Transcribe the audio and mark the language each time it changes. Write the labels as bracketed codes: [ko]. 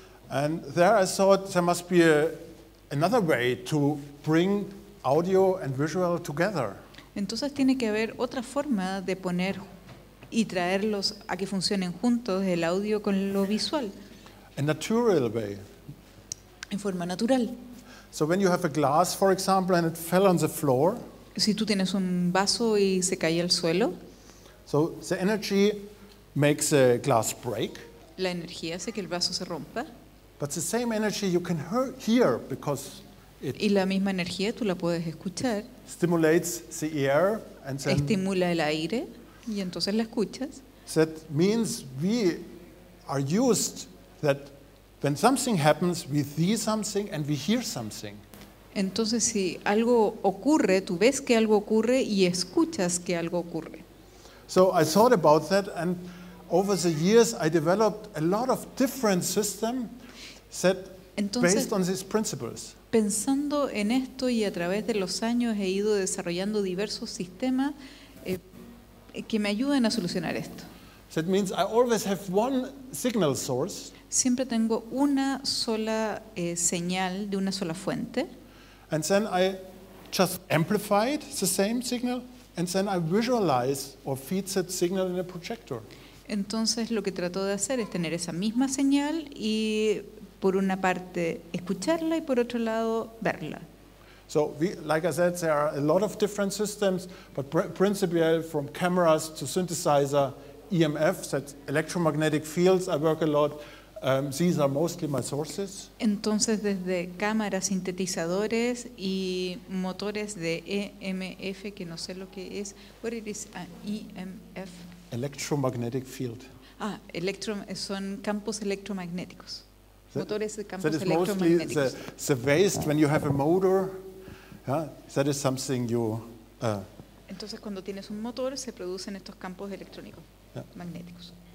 [en] And there I thought there must be another way to bring audio and visual together. [es] Entonces tiene que haber otra forma de poner y traerlos a que funcionen juntos el audio con lo visual. [en] A natural way. [es] En forma natural. [en] So when you have a glass, for example, and it fell on the floor. [es] Si tú tienes un vaso y se cae al suelo. [en] So the energy makes the glass break. [es] La energía hace que el vaso se rompa. [en] But the same energy you can hear because it [es] y la misma energía tú la puedes escuchar. [en] Stimulates the ear and then [es] estimula el aire y entonces la escuchas. [en] That means we are used that when something happens we see something and we hear something. [es] Entonces si algo ocurre, tú ves que algo ocurre y escuchas que algo ocurre. [en] So I thought about that and over the years I developed a lot of different systems set [es] entonces, [en] based on these principles. [es] Pensando en esto y a través de los años he ido desarrollando diversos sistemas que me ayuden a solucionar esto. [en] That means I always have one signal source. [es] Siempre tengo una sola señal de una sola fuente. [en] And then I just amplified the same signal and then I visualize or feed that signal in a projector. [es] Entonces lo que trato de hacer es tener esa misma señal y por una parte escucharla y por otro lado verla. [en] So we, like I said, there are a lot of different systems, but principally from cameras to synthesizer, EMF, that's electromagnetic fields, I work a lot. These are mostly my sources. [es] Entonces desde cámaras, sintetizadores y motores de EMF, que no sé lo que es. [en] What it is, EMF? Electromagnetic field. [es] Ah, son campos electromagnéticos. [en] That is mostly the waste when you have a motor. Yeah, that is something you. [es] Entonces, cuando tienes un motor, se producen estos campos electrónicos, magnéticos.